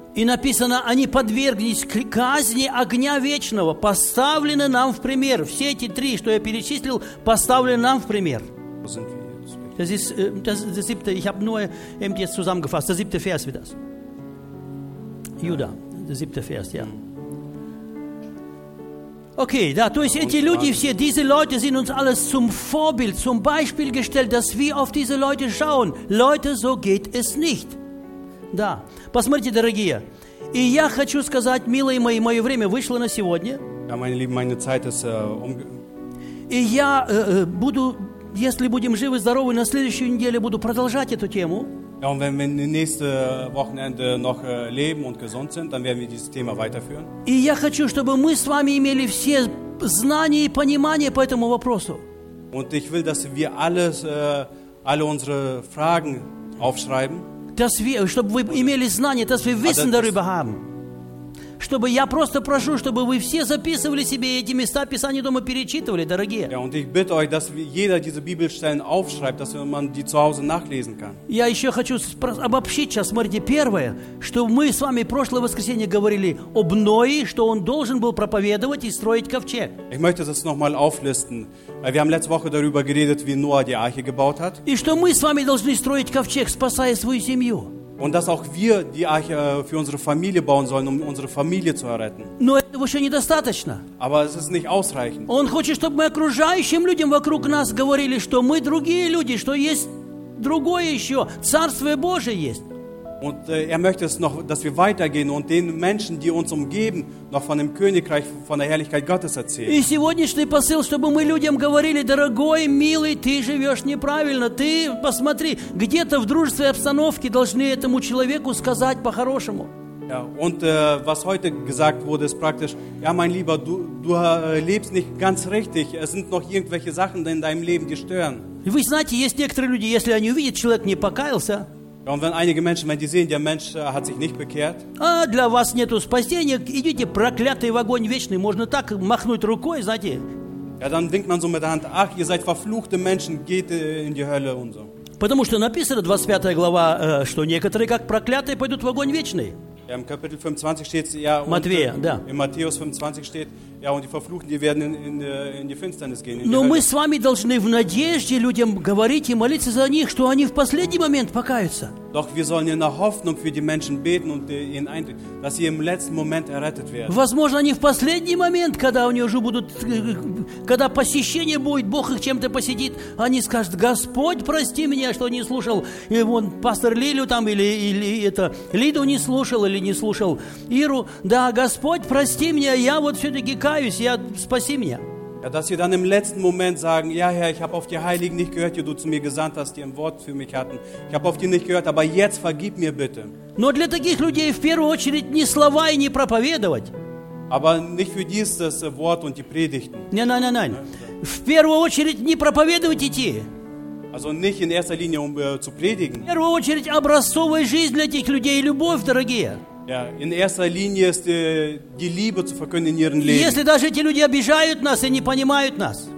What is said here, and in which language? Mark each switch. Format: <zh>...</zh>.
<ru>И написано, они подверглись казни огня вечного, поставлены нам в пример. Все эти три, что я перечислил, поставлены нам в пример.</ru> <de>Das siebte, ich habe nur eben jetzt zusammengefasst. Der siebte Vers, wie das? Juda, der siebte Vers, ja.</de> <ru>Okay, да, то есть эти люди все,</ru> <de>diese Leute sind uns alles zum Vorbild, zum Beispiel gestellt, dass wir auf diese Leute schauen. Leute, so geht es nicht.</de> <ru>Да. Посмотрите, дорогие. И я хочу сказать, милые мои, мое время вышло на сегодня.</ru> <de>Ja, meine Lieben, meine Zeit ist,</de> <ru>И я буду, если будем живы, здоровы, на следующую неделю буду продолжать эту тему.</ru> <de>Ja, und wenn wir nächste Wochenende noch leben und gesund sind, dann werden wir dieses Thema weiterführen.</de> <ru>И я хочу, чтобы мы с вами имели все знания и понимание по этому вопросу.</ru> <de>Und ich will, dass wir alles, alle unsere Fragen aufschreiben. Dass wir,</de> <ru>чтобы вы имели знания,</ru> <de>dass wir Wissen darüber haben.</de> <ru>Чтобы я просто прошу, чтобы вы все записывали себе эти места Писания дома, перечитывали, дорогие.</ru> <de>Ja, und ich bitte euch, dass jeder diese Bibelstellen aufschreibt, dass man die zu Hause nachlesen kann.</de> <ru>Я еще хочу обобщить сейчас, смотрите, первое, что мы с вами прошлое воскресенье говорили об Ное, что он должен был проповедовать и строить ковчег.</ru> <de>Ich möchte das nochmal auflisten. Wir haben letzte Woche darüber geredet, wie Noah die Arche gebaut hat.</de> <ru>И что мы с вами должны строить ковчег, спасая свою семью.</ru> <de>Und dass auch wir die Arche für unsere Familie bauen sollen, um unsere Familie zu erretten.</de> <ru>Но этого еще недостаточно.</ru> <de>Aber es ist nicht ausreichend.</de> <ru>Он хочет, чтобы мы окружающим людям вокруг нас говорили, что мы другие люди, что есть другое еще, Царство Божие есть.</ru> <de>Und er möchte es noch, dass wir weitergehen und den Menschen, die uns umgeben, noch von dem Königreich, von der Herrlichkeit Gottes erzählen.</de> <ru>И сегодняшний посыл, чтобы мы людям говорили: дорогой, милый, ты живешь неправильно. Ты посмотри, где-то в дружественной обстановке должны этому человеку сказать по-хорошему.</ru> <de>Ja, und was heute gesagt wurde, ist praktisch: ja, mein Lieber, du lebst nicht ganz richtig. Es sind noch irgendwelche Sachen in deinem Leben, die stören.</de> <ru>И вы знаете, есть некоторые люди, если они увидят, человек не покаялся.</ru> <de>Ja, und wenn einige Menschen, wenn die sehen, der Mensch hat sich nicht bekehrt.</de> <ru>А для вас нету спасения, идите проклятый в огонь вечный. Можно так махнуть рукой, знаете?</ru> <de>Ja, dann winkt man so mit der Hand. Ach, ihr seid verfluchte Menschen, geht in die Hölle und so.</de> <ru>Потому что написано 25 глава, что некоторые как проклятые пойдут в огонь вечный.</ru> <de>Ja, im Kapitel 25 steht, ja, und</de> <ru>Матвея, да.</ru> <de>In Matthäus 25 steht, ja, und die Verfluchten, die werden in die Finsternis gehen.</de> <ru>Но мы с вами должны в надежде людям говорить и молиться за них, что они в последний момент покаются.</ru> <de>Doch wir sollen in der Hoffnung für die Menschen beten und ihnen eintreten, dass sie im letzten Moment errettet werden.</de> <ru>Возможно, они в последний момент, когда у них уже будут, когда посещение будет, Бог их чем-то посетит, они скажут: Господь, прости меня, что не слушал, и вон пастор Лилю там или это Лиду не слушал или не слушал Иру. Да, Господь, прости меня, я вот все-таки каюсь, я спаси меня.</ru> <de>Ja, dass sie dann im letzten Moment sagen: ja, Herr, ich habe auf die Heiligen nicht gehört, die du zu mir gesandt hast, die ein Wort für mich hatten. Ich habe auf die nicht gehört, aber jetzt vergib mir bitte.</de> <ru>Но для таких людей в первую очередь не слова и не проповедовать.</ru> <de>Aber nicht für dies das Wort und die Predigten. Nein.</de> <ru>В первую очередь не проповедовать идти.</ru> <de>Also nicht in erster Linie zu predigen.</de> <ru>В первую очередь образцовая жизнь для этих людей и любовь, дорогие.</ru> <de>Ja, in erster Linie ist die Liebe zu verkünden in ihrem Leben.</de> <ru>Если даже эти люди обижают нас и не понимают нас.</ru>